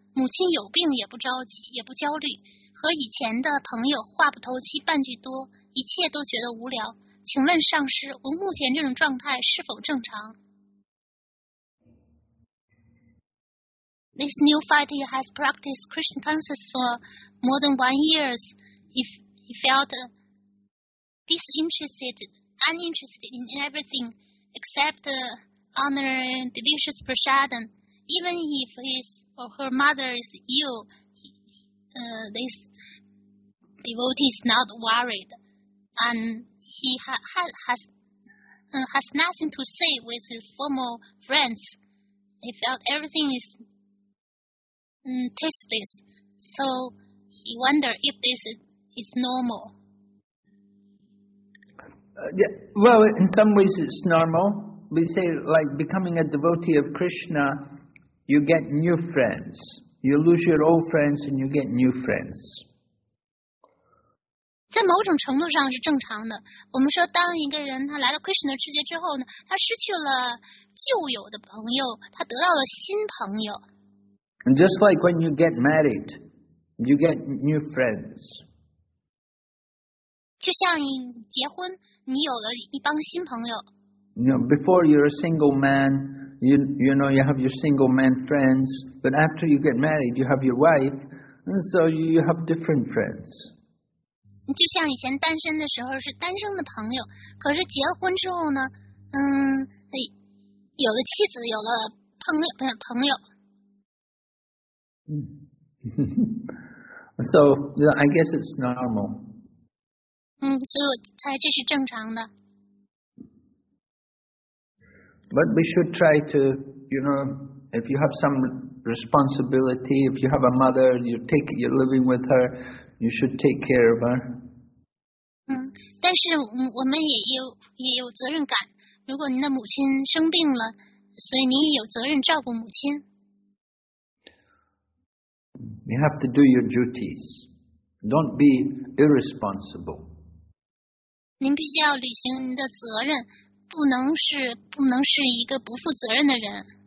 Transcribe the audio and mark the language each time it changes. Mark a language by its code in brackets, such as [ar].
[zh] 母亲有病也不着急也不焦虑，和以前的朋友话不投机半句多，一切都觉得无聊。请问上师，我目前这种状态是否正常？ [en] This new fighter has practiced Krishna consciousness for more than 1 year. He felt uninterested in everything except honor and delicious prasadam. Even if his or her mother is ill, this devotee is not worried, and he has nothing to say with his former friends. He felt everything is tasteless, so he wondered if this is normal. Well, in some ways it's normal. We say, like, becoming a devotee of Krishna... You get new friends. You lose your old friends and you get new friends. [zh] 在某种程度上是正常的。我们说当一个人他来到 Krishna 世界之后呢，他失去了旧有的朋友，他得到了新朋友。 [en] And just like when you get married, you get new friends. [zh] 就像你结婚，你有了一帮新朋友。 [en] You know, before you're a single man,You know, you have your single man friends, but after you get married, you have your wife, and so you have different friends. [zh] 就像以前单身的时候是单身的朋友，可是结婚之后呢，有了妻子，有了朋友。 [en] So, you know, I guess it's normal. [zh] 所以我猜这是正常的。 [en] But we should try to, you know, if you have some responsibility, if you have a mother, you're living with her, you should take care of her. [zh] 但是我们也有责任感。如果您的母亲生病了，所以你有责任照顾母亲。 [en] You have to do your duties. Don't be irresponsible. [zh] 您必须要履行您的责任。不能是一个不负责任的人。